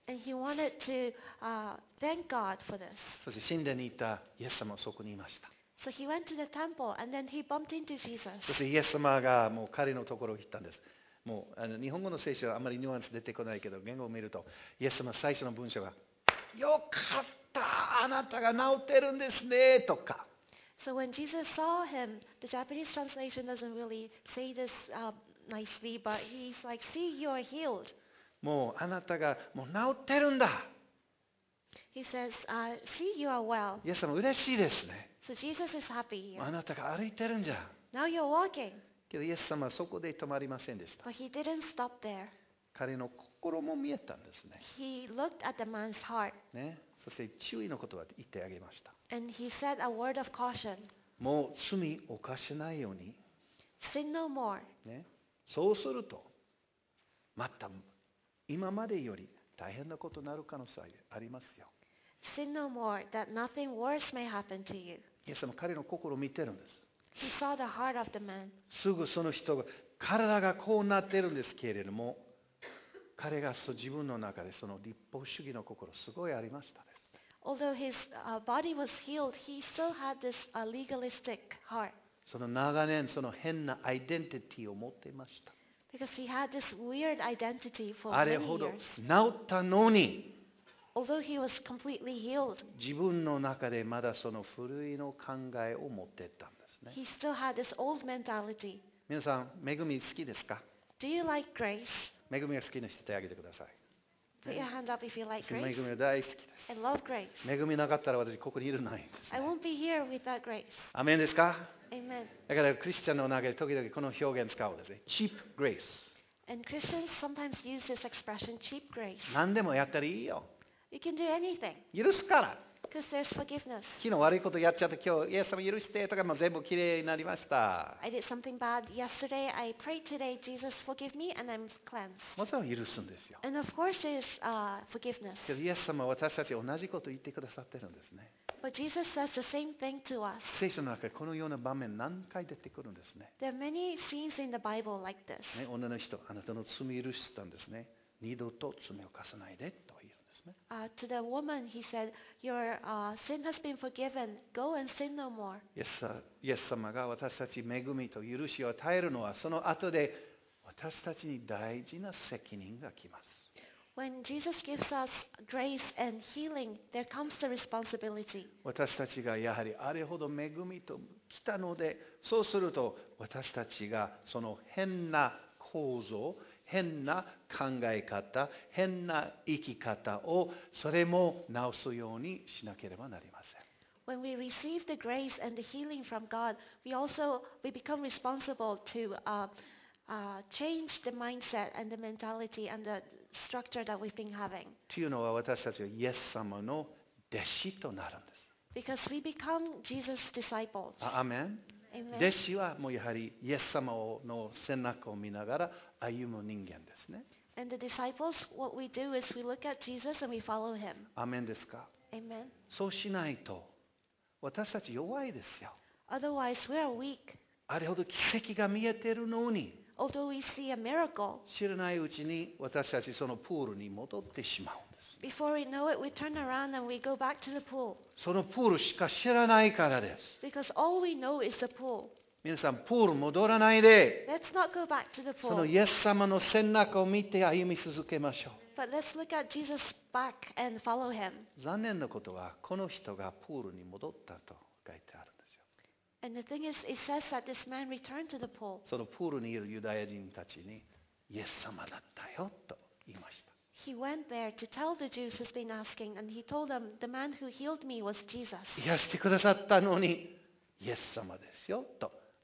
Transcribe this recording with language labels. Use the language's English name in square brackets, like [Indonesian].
[English] And he wanted to thank God for this. [Japanese] そして神殿にいたイエス様はそこにいました。 [English] So he went to the temple and then he bumped into Jesus. [Japanese] そしてイエス様がもう彼のところに行ったんです。もう日本語の聖書はあまりニュアンス出てこないけど、言語を見るとイエス様最初の文章が、よかった、あなたが治ってるんですねとか。 [English] So when Jesus saw him, the Japanese translation doesn't really say this nicely, but he's like, "See, you are healed." [Japanese] もうあなたがもう治ってるんだ。 [English] He says, "See, you are well." [Japanese] イエス様嬉しいですね。 [English] So、Jesus is happy here. [Japanese] あなたが歩いてるんじゃ。 [English] Now you're walking. [Japanese] けどイエス様はそこで止まりませんでした。 [English] But he didn't stop there. [Japanese] 彼の心も見えたんですね。 [English] He looked at the man's heart. [Japanese] ね、そして注意の言葉を言ってあげました。 [English] And he said a word of caution. [Japanese] もう罪を犯しないように。 [English] Sin no more. [Japanese] ね、そうするとまた今までより大変なことになる可能性がありますよ。 [English] Sin no more, that nothing worse may happen to you. [Japanese] イエス様彼の心を見てるんです。 [English] He saw the heart of the man. [Japanese] すぐその人が体がこうなってるんですけれども、彼が自分の中でその立法主義の心すごいありましたです。 [English] Although his body was healed, he still had this legalistic heart. [Japanese] その長年その変なアイデンティティを持っていました。 [English] Because he had this weird identity for many years. [Japanese] あれほど治ったのに。 [English] Although he was completely healed, [Japanese] 自分の中でまだその古いの考えを持ってったんですね。 [English] He still had this old mentality. [Japanese] 皆さん、恵み好きですか? [English] Do you like grace? [Japanese] 恵みが好きな人手を挙げてください。 [English] Put your hand up if you like grace. [Japanese] 恵みは大好きです。 [English] I love grace. [Japanese] 恵みなかったら私ここにいるない。 [English] I won't be here without grace. [Japanese] アメンですか？ [English] Amen. [Japanese] だからクリスチャンの中で時々この表現使うんですね。 [English] Cheap grace. And Christians sometimes use this expression, cheap grace. [Japanese] 何でもやったらいいよ。 [English] You can do anything. [Japanese] 許すから。 [English] Because there's forgiveness. [Japanese] 昨日悪いことやっちゃって今日イエス様許してとかも全部きれいになりました。 [English] I did something bad yesterday. I prayed today. Jesus forgive me and I'm cleansed. [Japanese] もちろん許すんですよ。 [English] And of course is forgiveness. [Japanese] けどイエス様は私たち同じこと言ってくださってるんですね。 [English] But Jesus says the same thing to us. [Japanese] 聖書の中でこのような場面何回出てくるんですね。 [English] There are many scenes in the Bible like this. [Japanese] ね、女の人、あなたの罪許したんですね。二度と罪を犯さないでと。 [English] To the woman, he said, "Your sin has been forgiven. Go and sin no more." Yes, yes, [Japanese] 様が私たち恵みと許しを与えるのはその後で私たちに大事な責任が来ます。 [English] When Jesus gives us grace and healing, there comes the responsibility. [Japanese] 私たちがやはりあれほど恵みと来たので、そうすると私たちがその変な構造変な考え方、変な生き方をそれも直すようにしなければなりません。 [English] When we receive the grace and the healing from God, we become responsible to change the mindset and the mentality and the structure that we've been having. [Japanese] というのは私たちはイエス様の弟子となるんです。 [English] Because we become Jesus' disciples. Amen. [Japanese] 弟子はもうやはりイエス様の背中を見ながら歩む人間ですね。 [English] And the disciples, what we do is we look at Jesus and we follow him. [Japanese] アメンですか。 [English] Amen. [Japanese] そうしないと私たち弱いですよ。 [English] Otherwise, we are weak. [Japanese] あれほど奇跡が見えてるのに。 [English] Although we see a miracle. [Japanese] 知らないうちに私たちそのプールに戻ってしまうんです。 [English] Before we know it, we turn around and we go back to the pool. [Japanese] そのプールしか知らないからです。 [English] Because all we know is the pool. [Japanese] 皆さん、プール戻らないで。 [English] Let's not go back to the pool. [Japanese] そのイエス様の背中を見て歩み続けましょう。 [English] But let's look at Jesus back and follow him. [Japanese] 残念なことは、この人がプールに戻ったと書いてあるんですよ。 [English] And the thing is, it says that this man returned to the pool. [Japanese] そのプールにいるユダヤ人たちに、イエス様だったよと言いました。 [English] He went there to tell the Jews who've been asking, and he told them the man who healed me was Jesus. [Japanese] 癒してくださったのに、イエス様ですよと。